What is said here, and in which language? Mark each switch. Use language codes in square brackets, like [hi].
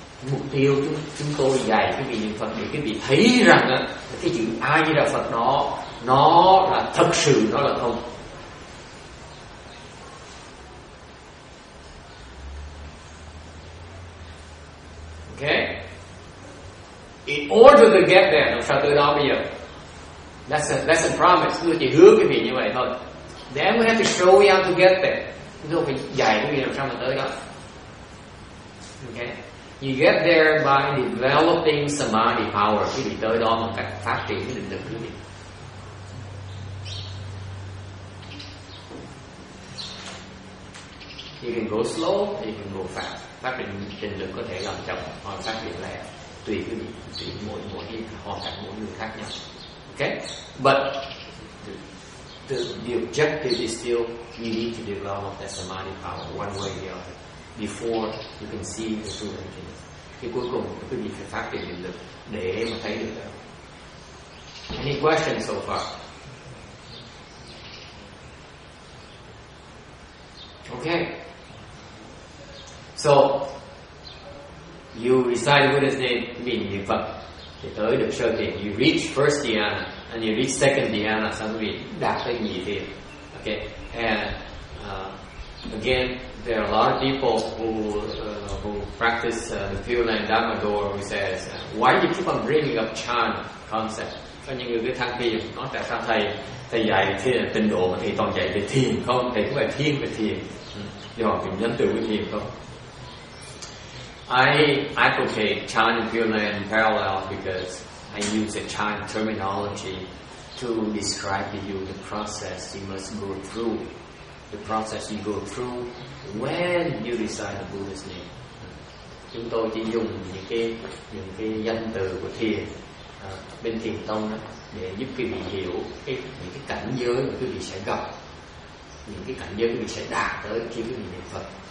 [vi] Mục tiêu chúng tôi dạy cái vị niệm Phật để cái vị thấy rằng á, cái chữ A Di Đà Phật nó là thật sự, nó là không. [en] Ok. In order to get there, [vi] làm sao tới đó bây giờ? [en] That's a promise. [vi] Tôi chỉ hứa cái vị như vậy thôi. [en] Then we have to show you how to get there. [vi] Chúng tôi phải dạy cái vị làm sao mà tới đó. Ok. [en] You get there by developing samadhi power. [vi] Quý vị tới đó bằng cách phát triển cái định lực của mình. [en] You can go slow, you can go fast. [vi] Phát triển định lực có thể làm chậm hoặc phát triển lẹ, tùy quý vị, tùy mỗi hoàn cảnh mỗi người khác nhau. [en] Okay, but the objective is still you need to develop that samadhi power one way or the other before you can see the true emptiness. [vi] Thì cuối cùng quý vị phải phát triển định lực để mà thấy được. [en] Any questions so far? Okay. So you recite Buddha's name, meaning you [vi] Phật, thì tới được sơ thiền. [en] You reach first dhyana and you reach second dhyana, so we [vi] đạt tới nhị thiền. [en] Okay. And again, there are a lot of people who practice the Pure Land Dharma door, who says, why do you keep on bringing up chan concept? [vi] Có những người cứ thắc mắc, nói tại sao thầy dạy thiền tịnh độ mà thầy toàn dạy về thiền không? Thầy cũng phải thiền về thiền, do họ nhấn từ với thiền không? [en] I advocate chan and Pure Land parallel because I use the chan terminology to describe to you the process you must go through. The process you go through when you recite the Buddha's name. [vi] Chúng tôi chỉ dùng những cái danh từ của thiền bên thiền tông đó để giúp quý vị hiểu những cái cảnh giới mà quý vị sẽ gặp, những cái cảnh giới quý vị sẽ đạt tới khi quý vị niệm Phật.